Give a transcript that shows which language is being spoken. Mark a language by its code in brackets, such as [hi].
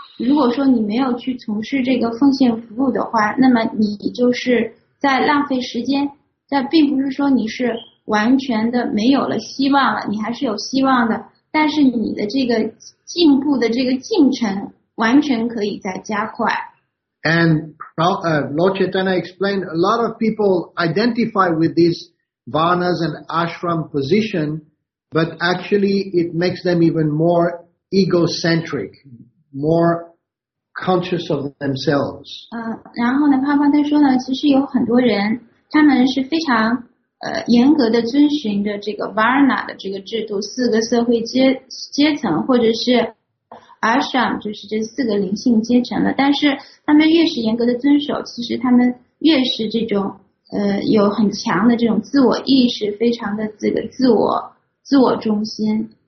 [zh] 如果说你没有去从事这个奉献服务的话，那么你就是在浪费时间，但并不是说你是完全的没有了希望了，你还是有希望的，但是你的这个进步的这个进程完全可以再加快。 [en] And Lord Chaitanya explained a lot of people identify with these varnas and ashram position, but actually it makes them even more egocentricmore conscious of themselves. [zh] 然后呢帕帕他说呢，其实有很多人他们是非常严格的遵循着这个 Varna 的这个制度，四个社会阶层或者是 Ashram, 就是这四个灵性阶层的，但是他们越是严格的遵守，其实他们越是这种有很强的这种自我意识，非常的这个自我中心。